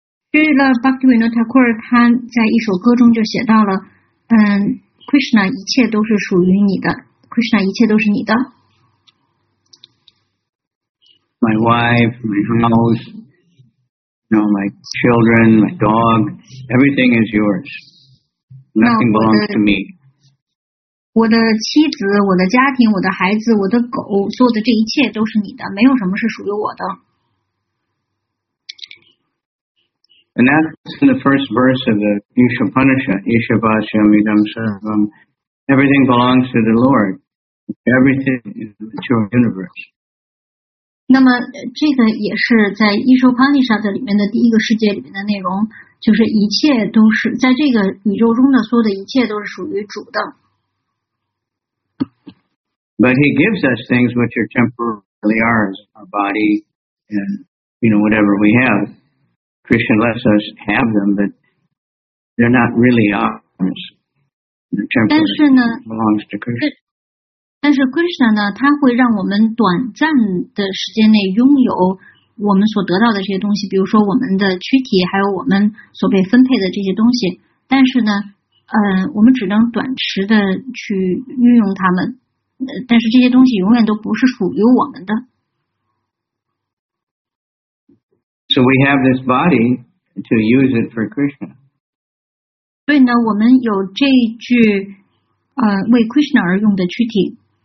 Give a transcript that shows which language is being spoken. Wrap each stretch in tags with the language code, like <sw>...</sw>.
<zh>据了 Bhaktivinoda Thakur 他在一首歌中就写到了，嗯 ，Krishna 一切都是属于你的 ，Krishna 一切都是你的。</zh> <en>My wife, my house, you know, my children, my dog, everything is yours. Nothing belongs to me.</en> <zh>我的妻子，我的家庭，我的孩子，我的狗，所有的这一切都是你的，没有什么是属于我的。</zh> <en>And that's in the first verse of the Ishvapanishad, Ishvasyam Idam Sarvam. Everything belongs to the Lord. Everything is the mature universe.</en> <zh>那么这个也是在 Ishvapanishad 里面的第一个世界里面的内容，就是一切都是在这个宇宙中的所有的一切都是属于主的。</zh> <en>But he gives us things which are temporarily ours, our body and, you know, whatever we have. Krishna lets us have them, but they're not really ours. They're temporary. It belongs to Krishna.</en> <zh>但是 Krishna 呢，他会让我们短暂的时间内拥有我们所得到的这些东西，比如说我们的躯体，还有我们所被分配的这些东西。但是呢，我们只能短时的去运用它们。但是这些东西永远都不是属于我们的。</zh> <en>So we have this body to use it for Krishna.</en> <zh>对呢，我们有这一具，为 Krishna 而用的躯体。</zh>